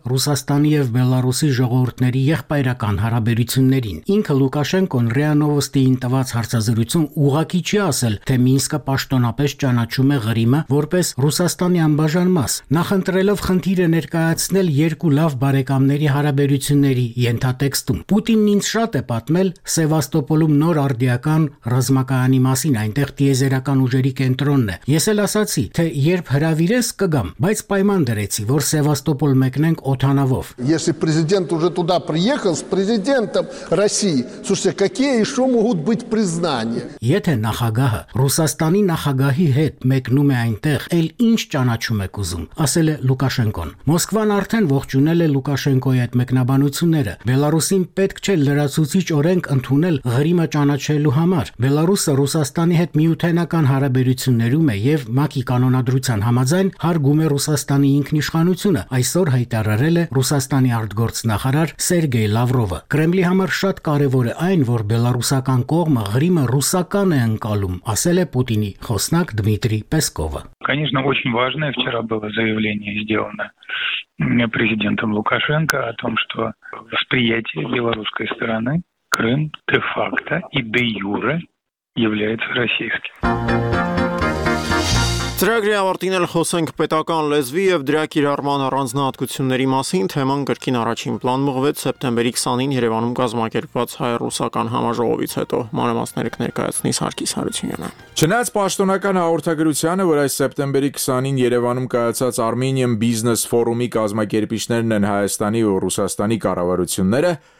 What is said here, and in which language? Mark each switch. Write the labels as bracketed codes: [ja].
[hy] Ռուսաստանի եւ Բելարուսի ժողովուրդների եղբայրական հարաբերություններին։ Ինքը Լուկաշենկոն Ռիանովոստիին տված հարցազրույցում ուղղակի չի ասել, թե Մինսկը պաշտոնապես ճանաչում է Ղրիմը որպես Ռուսաստանի անբաժան մաս, նախընտրելով խնդիրը ներկայացնել երկու լավ բարեկամների հարաբերություն ների ենթատեքստում։ Պուտինն ինձ շատ է պատմել Սևաստոպոլում նոր արդիական ռազմակայանի մասին, այնտեղ դիեզերական ուժերի կենտրոնն է։ Ես էլ ասացի, թե երբ հրավիրես կգամ, բայց պայման դրեցի, որ Սևաստոպոլ մեկնենք օթանավով։ [ru] Если президент уже туда приехал с президентом России, слушайте, какие ещё могут быть признания? [hy] Եթե նախագահը Ռուսաստանի նախագահի հետ մեկնում է այնտեղ, այլ ինչ ճանաչում եք ուզում, ասել է Լուկաշենկոն։ Մոսկվան արդեն ողջունել է Լուկաշենկոյի այդ մեկնա բանությունները։ Բելարուսին պետք չէ լրացուցիչ օրենք ընդունել Ղրիմը ճանաչելու համար։ Բելարուսը Ռուսաստանի հետ միութենական հարաբերություններում է եւ ՄԱԿ-ի կանոնադրության համաձայն հարգում է Ռուսաստանի ինքնիշխանությունը, այսօր հայտարարել է Ռուսաստանի արտգործնախարար Սերգեյ Լավրովը։ Կրեմլի համար շատ կարեւոր է այն, որ բելարուսական կողմը Ղրիմը ռուսական է ընկալում, ասել է Պուտինի խոսնակ Դմիտրի Պեսկովը։ [ru] Конечно, очень важное вчера было заявление сделано президентом Лукашенко о том, что восприятие белорусской стороны Крым де-факто и де-юре является российским. [hy] Ծրագրի ավարտին էլ խոսենք պետական լեզվի եւ դրա կիրառման առանձնահատկությունների մասին։ Թեման կրկին առաջին պլան մղվեց սեպտեմբերի 20-ին Երևանում կազմակերպված հայ-ռուսական համաժողովից հետո։ Մանրամասները կներկայացնի Սարգիս Հարությունյանը։ Չնայած պաշտոնական հաղորդագրությանը, որ այս սեպտեմբերի 20-ին Երևանում կայացած Armenian Business Forum-ի կազմակերպիչներն են Հայաստանի ու Ռուսաստանի կառավարությունները,